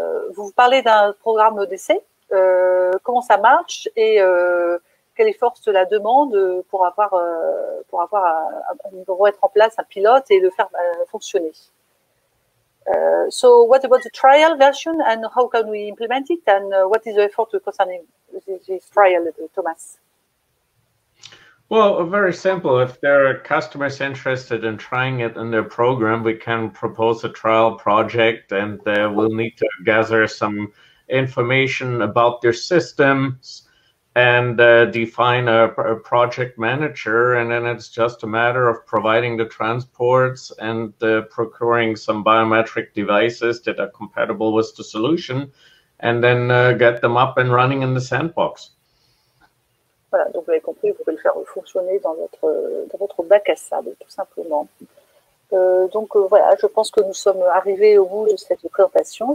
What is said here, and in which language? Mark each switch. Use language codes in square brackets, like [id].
[fr] Vous parlez d'un programme d'essai. Comment ça marche et quel effort cela demande pour avoir pour être en place un pilote et le faire fonctionner. [en] So what about the trial version and how can we implement it and what is the effort concerning this trial, Thomas? Well, very simple. If there are customers interested in trying it in their program, we can propose a trial project and we'll need to gather some information about their systems and define a project manager. And then it's just a matter of providing the transports and procuring some biometric devices that are compatible with the solution and then get them up and running in the sandbox. [fr] Voilà, donc vous l'avez compris, vous pouvez le faire fonctionner dans votre bac à sable, tout simplement. Voilà, je pense que nous sommes arrivés au bout de cette présentation.